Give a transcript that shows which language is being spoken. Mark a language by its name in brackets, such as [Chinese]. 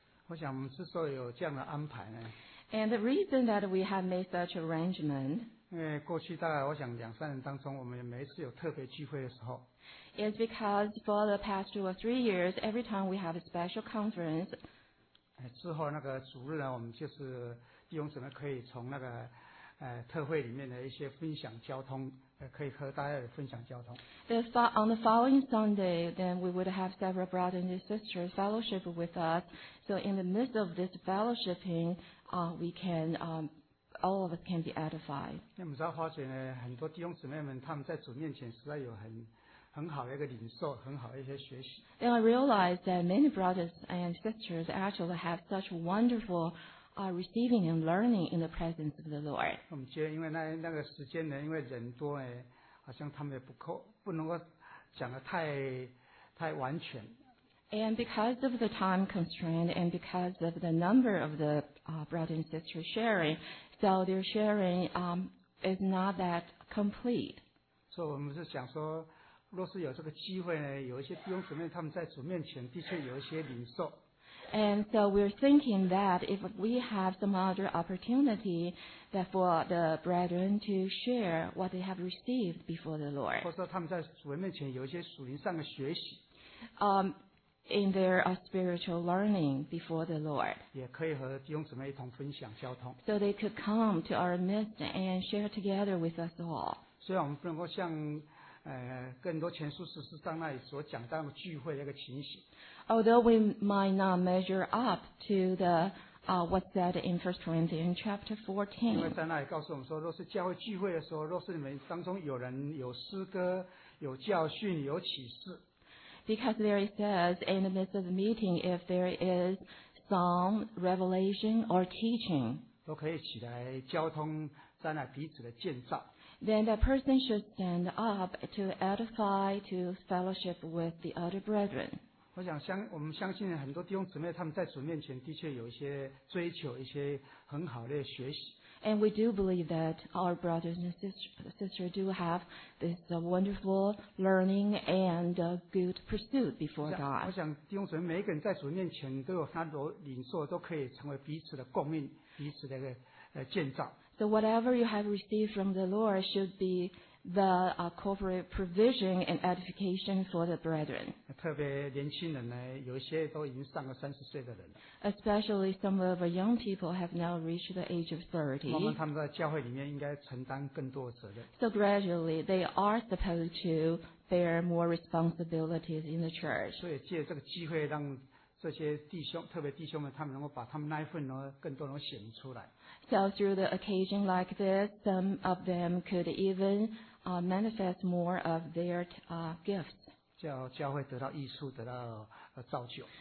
[Chinese] 我想我们之所以有这样的安排呢, [English] And the reason that we have made such arrangement, [Chinese] 因为过去大概我想两三年当中我们每一次有特别聚会的时候, [English] is because for the past two or three years, every time we have a special conference, [Chinese] 之后那个主日呢我们就是弟兄姊妹可以从那个特会里面的一些分享交通可以和大家分享交通 [English] On the following Sunday then we would have several brothers and sisters fellowship with us so in the midst of this fellowshipping we can all of us can be edified [Chinese] 因为我们知道花姐呢很多弟兄姊妹们他们在主面前实在有很好的一个领受很好的一些学习 [English] Then I realized that many brothers and sisters actually have such wonderful are receiving and learning in the presence of the Lord. [Chinese] 我们觉得因为 那个时间呢因为人多呢好像他们也不能够讲得太完全。 [English] And because of the time constraint and because of the number of the brothers and sisters sharing, so their sharing is not that complete. [Chinese] 所以我们是想说若是有这个机会呢有一些弟兄姊妹他们在主面前的确有一些领受。 [English] And so we're thinking that if we have some other opportunity that for the brethren to share what they have received before the Lord. [Chinese] 或者说他们在主人面前有一些属灵上的学习。 [English] In their spiritual learning before the Lord. [Chinese] 也可以和弟兄姊妹一同分享交通。 [English] So they could come to our midst and share together with us all. [Chinese] 虽然我们不能够像更多前书十四章那里所讲到聚会的一个情形。 [English] Although we might not measure up to the what's said in 1 Corinthians chapter 14. [Chinese] 因为在那里告诉我们说，若是教会聚会的时候，若是你们当中有人有诗歌、有教训、有启示。 [English] Because there it says in the midst of the meeting, if there is some revelation or teaching, [Chinese] 都可以起来交通，在那彼此的建造。 [English] Then that person should stand up to edify, to fellowship with the other brethren. [Chinese] 我们相信很多弟兄姊妹他们在主面前的确有一些追求一些很好的学习。 [English] And we do believe that our brothers and sisters do have this wonderful learning and good pursuit before God. [Chinese] 我想弟兄姊妹每一个人在主面前都有他的领受都可以成为彼此的共鸣彼此的建造。 [English] So whatever you have received from the Lord should be the corporate provision and edification for the brethren. [Chinese] 特别年轻人呢，有一些都已经上了三十岁的人了。 [English] Especially some of our young people have now reached the age of 30. [Chinese] 慢慢他们在教会里面应该承担更多责任。 [English] So gradually they are supposed to bear more responsibilities in the church. [Chinese] 所以借这个机会让这些弟兄，特别弟兄们，他们能够把他们那一份呢，更多能显明出来。 [English] So through the occasion like this, some of them could even manifest more of their gifts. [Chinese] 叫教会得到益处，得到造就。